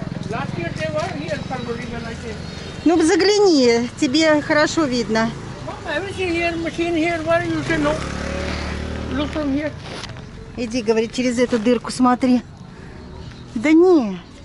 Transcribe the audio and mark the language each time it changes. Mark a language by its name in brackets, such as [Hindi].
[English] Last year they were here, somebody, when I came. [Russian] Ну, загляни, тебе хорошо видно. [English] Everything here, machine here, where you can look from here. [Russian] Иди, говорит, через эту дырку смотри. Да не.